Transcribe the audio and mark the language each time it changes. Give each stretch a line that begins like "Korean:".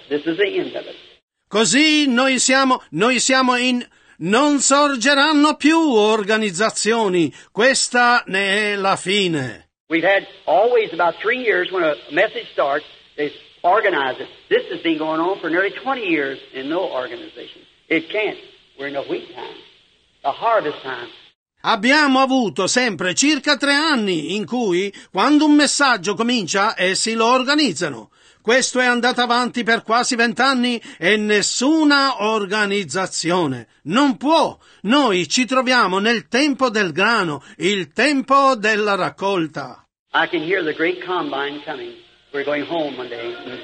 English: This is the end of it.
Italian: Così noi siamo in. Non sorgeranno più organizzazioni. Questa ne è la fine.
English: We've had always about 3 years when a message starts, they organize it. This has been going on for nearly 20 years in no organization. It can't. We're in the wheat time, the harvest time.
Italian: Abbiamo avuto sempre circa 3 anni in cui, quando un messaggio comincia, essi lo organizzano. Questo è andato avanti per quasi 20 anni e nessuna organizzazione non può. Noi ci troviamo nel tempo del grano, il tempo della raccolta.
English: I can hear the great combine coming. We're going home one day.